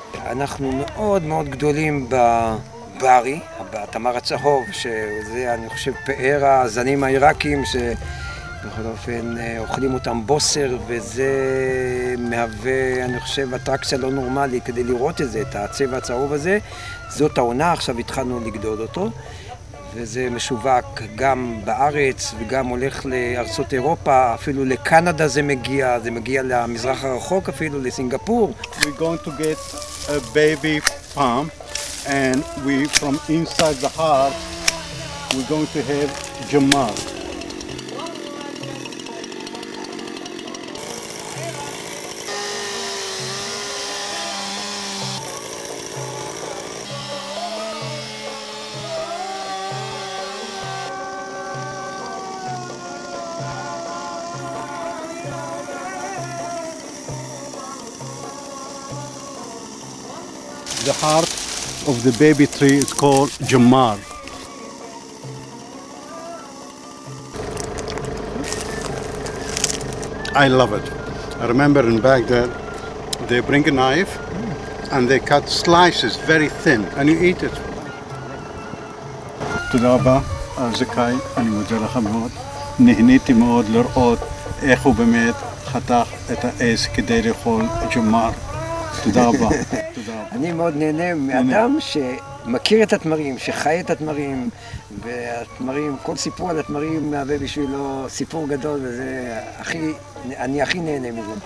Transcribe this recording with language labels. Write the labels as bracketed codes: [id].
[he] אנחנו מאוד מאוד גדולים בברי, בתמר הצהוב, שזה אני חושב פאר הזנים העיראקים שבכל אופן אוכלים אותם בוסר, וזה מהווה אני חושב אטרקציה לא נורמלית כדי לראות את זה, את הצבע הצהוב הזה. זאת העונה, עכשיו התחלנו לגדול אותו. וזה משווק גם בארץ וגם הולך לארצות אירופה, אפילו לקנדה זה מגיע, זה מגיע למזרח הרחוק אפילו, לסינגפור. [en] We're going to get a baby palm and we from inside the heart we're going to have Jamal. The heart of the baby tree is called Jamal. I love it. I remember in Baghdad, they bring a knife and they cut slices very thin and you eat it. [he] תודה רבה, זכאי, אני מודה לך מאוד. נהניתי מאוד לראות איך הוא באמת חתך את העז כדי לאכול Jamal. תודה רבה. אני מאוד נהנה מאדם שמכיר את התמרים, שחי את התמרים, והתמרים, כל סיפור על התמרים מהווה בשבילו סיפור גדול, וזה הכי, אני הכי נהנה מזה.